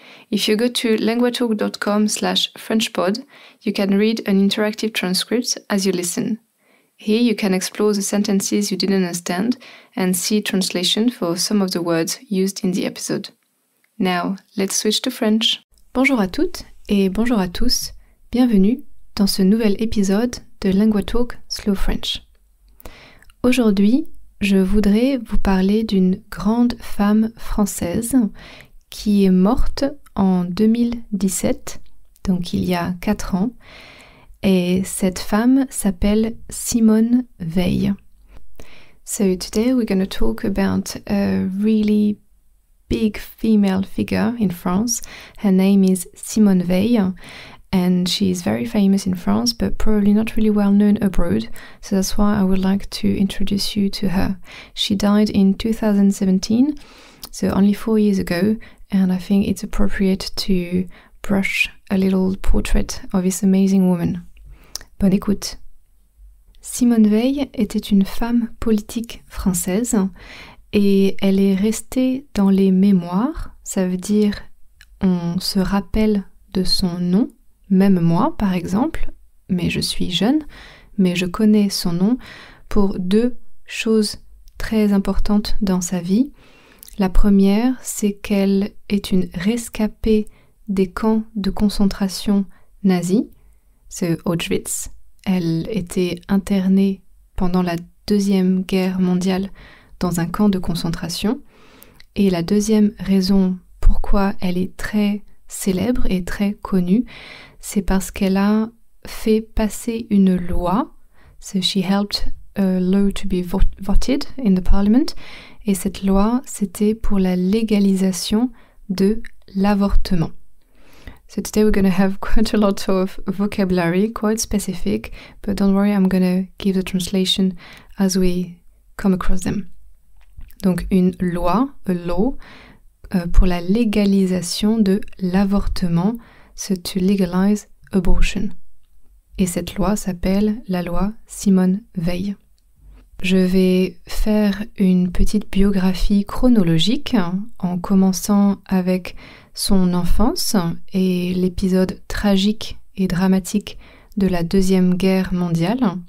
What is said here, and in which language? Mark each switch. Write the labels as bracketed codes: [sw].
[en] If you go to languagetalk.com/frenchpod, you can read an interactive transcript as you listen. Here you can explore the sentences you didn't understand and see translation for some of the words used in the episode. Now, let's switch to French. [fr] Bonjour à toutes et bonjour à tous. Bienvenue dans ce nouvel épisode de LanguaTalk Slow French. Aujourd'hui, je voudrais vous parler d'une grande femme française qui est morte en 2017, donc il y a 4 ans, et cette femme s'appelle Simone Veil. [en] So today we're going to talk about a really big female figure in France. Her name is Simone Veil. And she is very famous in France, but probably not really well known abroad. So that's why I would like to introduce you to her. She died in 2017, so only 4 years ago. And I think it's appropriate to brush a little portrait of this amazing woman. [fr] Bonne écoute. Simone Veil était une femme politique française et elle est restée dans les mémoires. Ça veut dire on se rappelle de son nom. Même moi, par exemple, mais je suis jeune, mais je connais son nom pour deux choses très importantes dans sa vie. La première, c'est qu'elle est une rescapée des camps de concentration nazis, c'est Auschwitz. Elle était internée pendant la Deuxième Guerre mondiale dans un camp de concentration. Et la deuxième raison pourquoi elle est très célèbre et très connue, c'est parce qu'elle a fait passer une loi, [en] so she helped a law to be voted in the parliament, [fr] et cette loi, c'était pour la légalisation de l'avortement. [en] So today we're going to have quite a lot of vocabulary, quite specific, but don't worry, I'm going to give the translation as we come across them. [fr] Donc une loi, [en] a law, [fr] pour la légalisation de l'avortement, [en] so to legalize abortion. [fr] Et cette loi s'appelle la loi Simone Veil. Je vais faire une petite biographie chronologique en commençant avec son enfance et l'épisode tragique et dramatique de la Deuxième Guerre mondiale.